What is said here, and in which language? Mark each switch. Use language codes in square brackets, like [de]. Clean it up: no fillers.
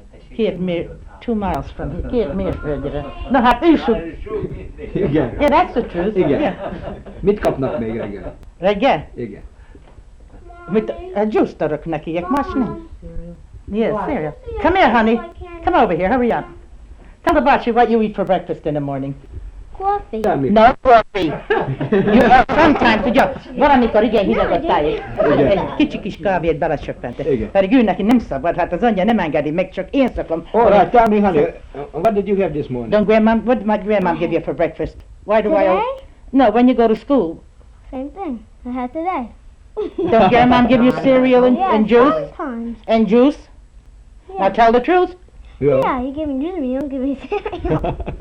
[hu] Két mér, [en] 2 miles from here, [hu] két mérföldre. Na hát üssük! Igen. [en] Yeah, that's the truth. [hu] Igen. Mit kapnak még reggel? Reggel? Igen. Mit, a juice adok neki, egy más nem? [en] Yes, yeah, cereal. Come here, honey. Come over here, hurry up. Tell the bachi what you eat for breakfast in the morning. Coffee. No coffee. You have some time to jump. [hu] Valamikor igen hideg a tájék. Egy kicsi kis kávét belecsöppentek. Pedig ő neki nem szabad, hát az anyja nem engedi meg, csak én szokom. [en] All right, tell me, honey. What did you have this morning? Don't grandmom, what did my grandmom give you for breakfast? Why do today? I... No, when you go to school. Same thing. I had today. Don't grandmom give you cereal and juice? Sometimes. And juice? Yeah. Now tell the truth. Yeah. Yeah, you give me dinner, you don't give me cereal.